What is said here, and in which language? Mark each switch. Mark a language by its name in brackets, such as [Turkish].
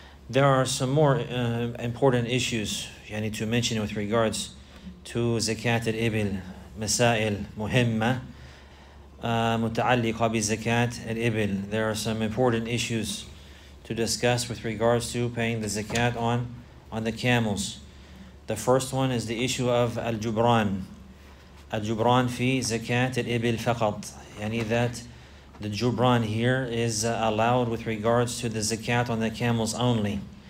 [English] There are some more important issues I need to mention with regards to zakat al-ibil, [Arabic] masail muhimma متعلقة بزكاة الإبل. [English] There are some important issues to discuss with regards to paying the zakat on the camels. The first one is the issue of الجبران. [Arabic] الجبران في زكاة الإبل فقط. [English] يعني that the جبران here is allowed with regards to the zakat on the camels only.